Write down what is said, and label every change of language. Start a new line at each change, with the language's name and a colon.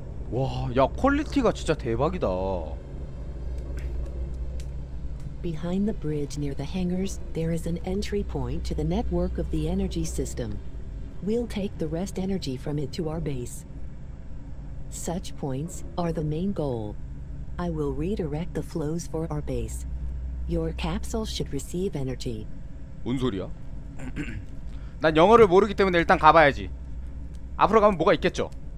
Korean: 와, 야 퀄리티가 진짜 대박이다.
English: Behind the bridge near the hangars, there is an entry point to the network of the energy system. We'll take the rest energy from it to our base. Such points are the main goal. I will redirect the flows for our base. Your capsule should receive energy.
Korean: 뭔 소리야? 난 영어를 모르기 때문에 일단 가봐야지. 앞으로 가면 뭐가 있겠죠?